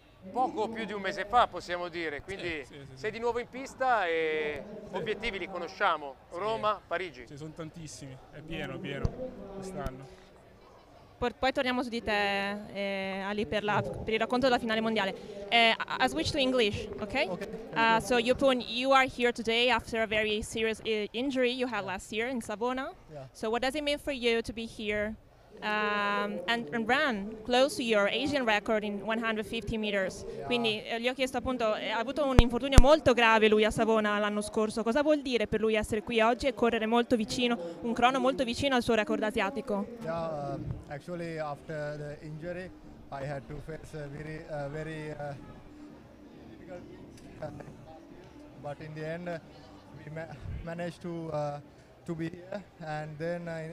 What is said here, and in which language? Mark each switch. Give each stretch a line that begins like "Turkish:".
Italian: Poco più di un mese fa, possiamo dire. Quindi sei di nuovo in pista e obiettivi li conosciamo. Roma, Parigi. Ci sono tantissimi, è pieno quest'anno. Poi torniamo su di te, Ali, per il racconto della finale mondiale.
English: I switch to English, okay? Okay. So Yupun, you are here today after a very serious injury you had last year in Savona. Yeah. So what does it mean for you to be here and run close to your Asian record in 150 meters? Yeah.
Italian: Quindi gli ho chiesto appunto, ha avuto un infortunio molto grave lui a Savona l'anno scorso. Cosa vuol dire per lui essere qui oggi e correre molto vicino, un crono molto vicino al suo record asiatico?
English: Yeah, actually after the injury I had to face a very difficult but in the end we managed to be here and then